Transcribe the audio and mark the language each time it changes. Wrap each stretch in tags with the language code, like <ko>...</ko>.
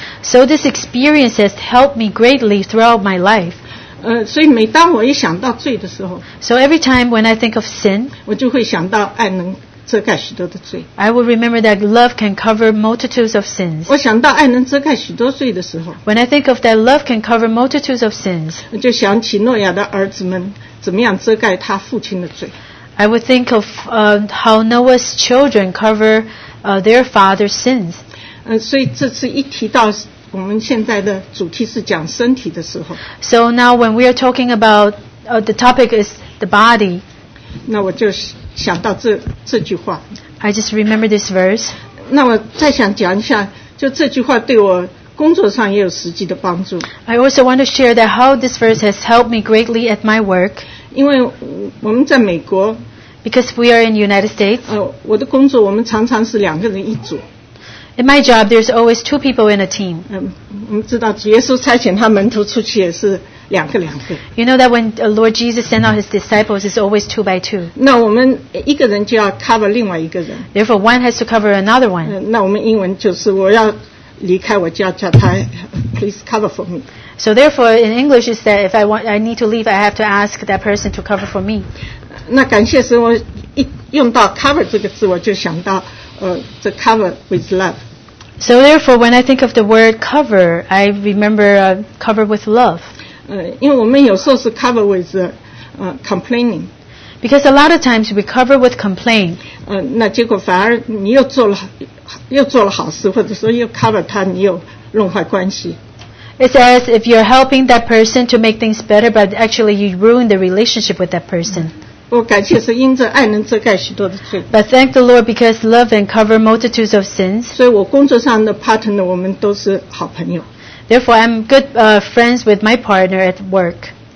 <en>So this experience has helped me greatly throughout my life.</en> <zh>所以每当我一想到罪的时候</zh> <en>，So every time when I think of sin，</en> <zh>我就会想到爱能遮盖许多的罪。</zh> <en>I will remember that love can cover multitudes of sins。</en> <zh>我想到爱能遮盖许多罪的时候</zh> <en>，When I think of that love can cover multitudes of sins，</en> <zh>我就想起诺亚的儿子们怎么样遮盖他父亲的罪。</zh> <en>I would think of how Noah's children cover their father's sins。</en> <zh>所以这次一提到。我们现在的主题是讲身体的时候。</zh> <en>So now when we are talking about the topic is the body.</en> <zh>那我就想到这句话。</zh> <en>I just remember this verse.</en> <zh>那我再想讲一下，就这句话对我工作上也有实际的帮助。</zh> <en>I also want to share that how this verse has helped me greatly at my work.</en> <zh>因为我们在美国。</zh> <en>Because we are in the United States.</en> <zh>我的工作我们常常是两个人一组。</zh> <en>In my job, there's always two people in a team.</en> <zh>我们知道耶稣差遣他门徒出去也是两个两个。</zh> <en>You know that when Lord Jesus sent out his disciples, it's always two by two.</en> <zh>那我们一个人就要 cover 另外一个人。</zh> <en>Therefore, one has to cover another one.</en> <zh>那我们英文就是我要离开，我就要叫他</zh> <en>please cover for me. So therefore, in English, is that if I need to leave, I have to ask that person to cover for me.</en> <zh>那感谢神，我一用到 cover 这个字，我就想到。</zh> <en>To cover with love. So therefore, when I think of the word cover, I remember cover with love.</en> <zh>因为我们有时候是</zh> <en>cover with complaining. Because a lot of times we cover with complaint.</en> <zh>那结果反而你又做了好事，或者说又 cover 他，你又弄坏关系。</zh> <en>It says if you're helping that person to make things better, but actually you ruin the relationship with that person. But thank the Lord because love can cover multitudes of sins. Therefore, I'm good friends with my partner at work.</en>